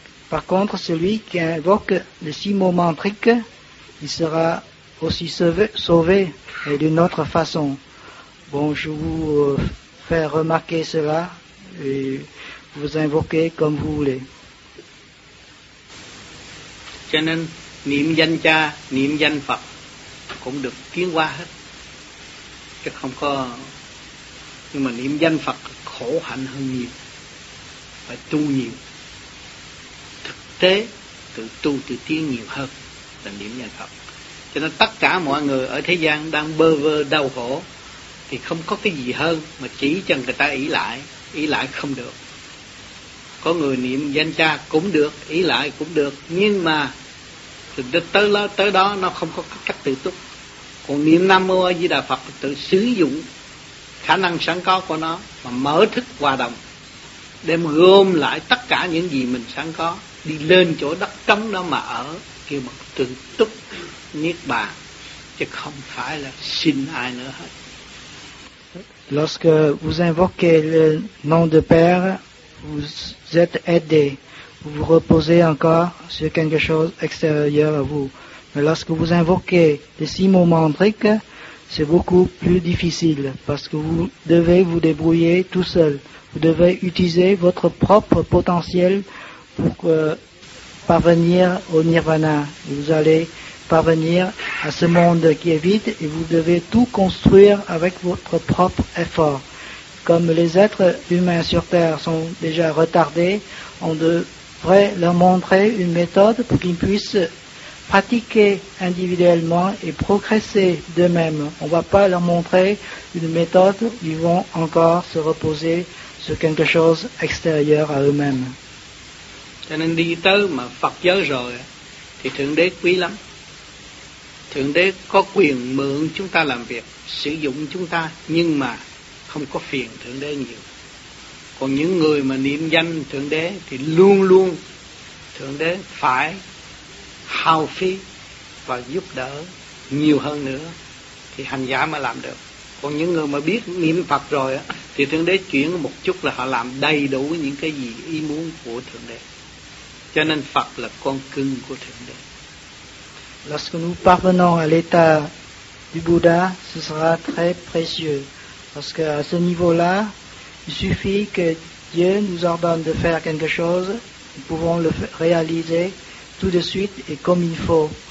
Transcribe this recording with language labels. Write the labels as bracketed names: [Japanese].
[French] Par contre, celui qui invoque les 6 mots mantriques, il sera aussi sauvé et d'une autre façon. Bon, je vous fais remarquer cela et vous invoquez comme vous voulez. [Vietnamese] Cho nên, niệm danh cha, niệm danh Phật cũng được tiến qua hết, chứ không có. Nhưng mà niệm danh Phật khổ hạnh hơn nhiều, phải tu nhiều, thực tế tự tu tự tiến nhiều hơn là niệm danh Phật. Cho nên tất cả mọi người ở thế gian đang bơ vơ đau khổ thì không có cái gì hơn mà chỉ cho người ta ỷ lại. Ỷ lại không được, có người niệm danh cha cũng được, ỷ lại cũng được, nhưng mà tới đó nó không có cách tự túc. Còn niệm Nam Mô A Di Đà Phật tự sử dụng khả năng sẵn có của nó mà mở thức hòa đồng, đem gom lại tất cả những gì mình sẵn có, đi lên chỗ đất trống đó mà ở, kêu bằng tự túc niết bàn, chứ không phải là xin ai nữa hết. [French] Lorsque vous invoquez le nom de Père, vous êtes aidé. Vous vous reposez encore sur quelque chose extérieur à vous. Mais lorsque vous invoquez les 6 mots mantriques, c'est beaucoup plus difficile, parce que vous devez vous débrouiller tout seul. Vous devez utiliser votre propre potentiel pour parvenir au nirvana. Vous allez parvenir à ce monde qui est vide et vous devez tout construire avec votre propre effort. Comme les êtres humains sur Terre sont déjà retardés, on devrait leur montrer une méthode pour qu'ils puissent pratiquer individuellement et progresser d'eux-mêmes. On ne va pas leur montrer une méthode où ils vont encore se reposer sur quelque chose extérieur à eux-mêmes. [Vietnamese] Cho nên đi tới mà Phật giới rồi thì Thượng Đế quý lắm. Thượng Đế có quyền mượn chúng ta làm việc, sử dụng chúng ta, nhưng mà không có phiền Thượng Đế nhiều. Còn những người mà niệm danh Thượng Đế thì luôn luôn Thượng Đế phải hao phí và giúp đỡ nhiều hơn nữa thì hành giả mới làm được. Còn những người mà biết niệm Phật rồi thì Thượng Đế chuyển một chút là họ làm đầy đủ những cái gì ý muốn của Thượng Đế. Cho nên Phật là con cưng của Thượng Đế. [French] Lorsque nous parvenons à l'état du Bouddha, ce sera très précieux. Parce que à ce niveau-là, il suffit que Dieu nous ordonne de faire quelque chose, nous pouvons le réaliser tout de suite et comme il faut.